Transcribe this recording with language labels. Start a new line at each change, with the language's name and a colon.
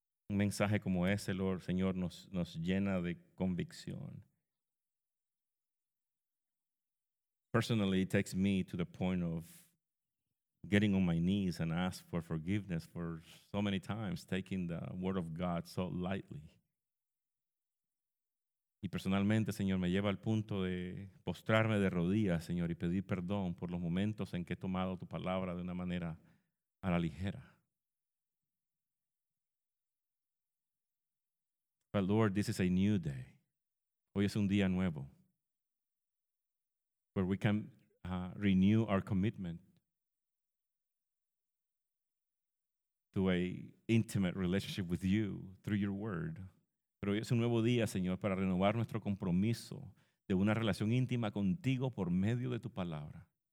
Spanish: Un mensaje como ese, Lord, Señor, nos llena de convicción.
English: Personally, it takes me to the point of getting on my knees and ask for forgiveness for so many times, taking the word of God so lightly.
Spanish: Y personalmente, Señor, me lleva al punto de postrarme de rodillas, Señor, y pedir perdón por los momentos en que he tomado tu palabra de una manera a la ligera.
English: But Lord, this is a new day.
Spanish: Hoy es un día nuevo.
English: Where we can renew our commitment to an intimate relationship with you through your word.
Spanish: Pero hoy es un nuevo día, Señor, para renovar nuestro compromiso de una relación íntima contigo por medio de tu palabra.